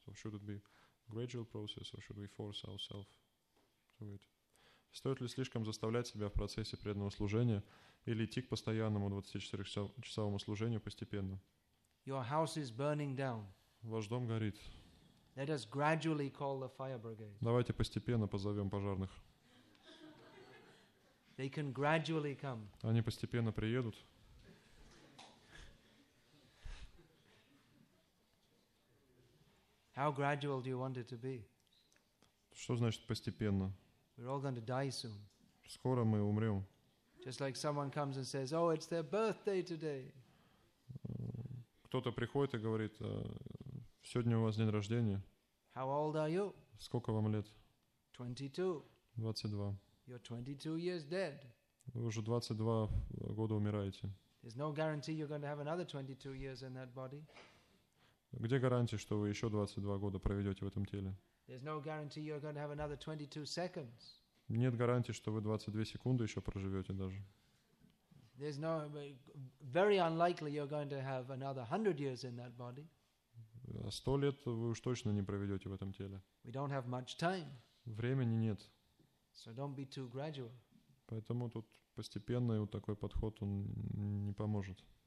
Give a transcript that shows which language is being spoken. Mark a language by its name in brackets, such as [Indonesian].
[English] So should it be gradual process, or should we force ourselves to it? [Russian] Стоит ли слишком заставлять себя в процессе преданного служения или идти к постоянному 24-часовому служению постепенно? [English] Your house is burning down. [Russian] Ваш дом горит. [English] Let us gradually call the fire brigade. [Russian] Давайте постепенно позовем пожарных. [English] They can gradually come. [Russian] Они постепенно приедут. [English] How gradual do you want it to be? [Russian] Что значит постепенно? [English] We're all going to die soon. [Russian] Скоро мы умрем. [English] Just like someone comes and says, "Oh, it's their birthday today." [Russian] Кто-то приходит и говорит: "Сегодня у вас день рождения." [English] How old are you? [Russian] Сколько вам лет? [English] 22. [Russian] 22. [English] You're 22 years dead. [Russian] Вы уже 22 года умираете. [English] There's no guarantee you're going to have another 22 years in that body. [Russian] Где гарантия, что вы еще 22 года проведете в этом теле? [English] There's no guarantee you're going to have another 22 seconds. [Russian] Нет гарантии, что вы 22 секунды еще проживете даже. [English] There's no, very unlikely you're going to have another 100 years in that body. [Russian] 100 лет вы уж точно не проведете в этом теле. [English] We don't have much time. [Russian] Времени нет. [English] So don't be too gradual. [Russian] Поэтому тут постепенный вот такой подход, он не поможет.